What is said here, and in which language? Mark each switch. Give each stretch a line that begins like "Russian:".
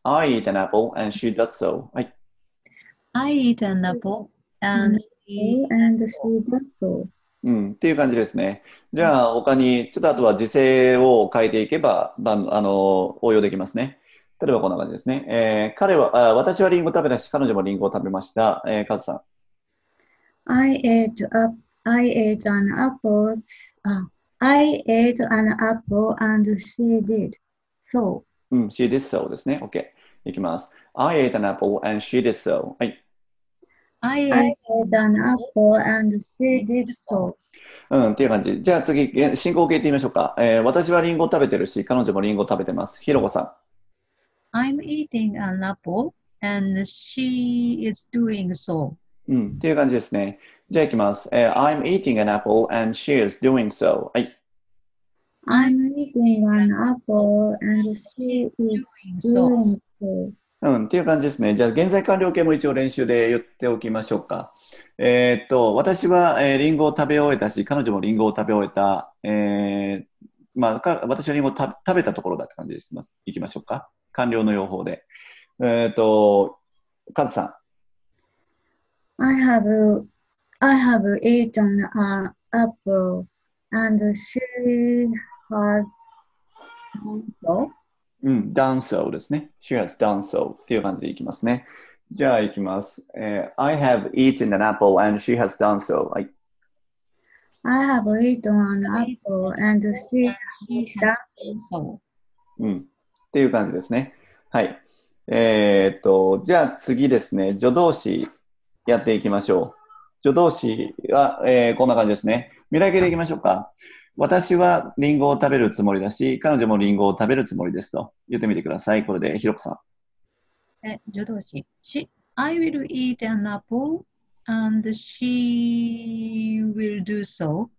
English: I eat an apple and she does so.
Japanese: はい。
English: I eat an apple and she does so.
Japanese: うん。っていう感じですね。じゃあ他に、ちょっとあとは時制を変えていけば、応用できますね。例えばこんな感じですね。私はリンゴ食べたし、彼女もリンゴを食べました。カズさん。
English: I ate an apple and she did so.
Japanese: うん、
English: she did so
Japanese: ですね。OK。 いきます。
English: I ate an apple and she did so.
Japanese: はい。
English: I ate an apple and she did so.
Japanese: うん、っていう感じ。じゃあ次、進行形言ってみましょうか。私はリンゴ食べてるし、彼女もリンゴ食べてます。ひろこさん。
English: I'm eating an apple and she is doing so.
Japanese: うん、っていう感じですね。じゃあ行きます。
English: I'm eating an apple and she is doing so.
Japanese: はい。
English: I'm eating an apple and she is doing so.
Japanese: うん、っていう感じですね。じゃあ現在完了形も一応練習で言っておきましょうか。私は、リンゴを食べ終えたし、彼女もリンゴを食べ終えた。私はリンゴを食べたところだって感じです。行きましょうか。完了の用法で。カズさん。
English: I have eaten an apple and she has done so?
Japanese: うん、
English: done so
Japanese: ですね。
English: She has done so
Japanese: っていう感じでいきますね。じゃあいきます。
English: I have eaten an apple and she has done so.
Japanese: はい。
English: I have eaten an apple and she has done so.
Japanese: うん、っていう感じですね。はい。じゃあ次ですね。助動詞やっていきましょう。助動詞は、こんな感じですね。未来形でいきましょうか。私はリンゴを食べるつもりだし、彼女もリンゴを食べるつもりですと言ってみてください。これで、ひろこさん。助動詞。
English: I will eat an apple and she will do so.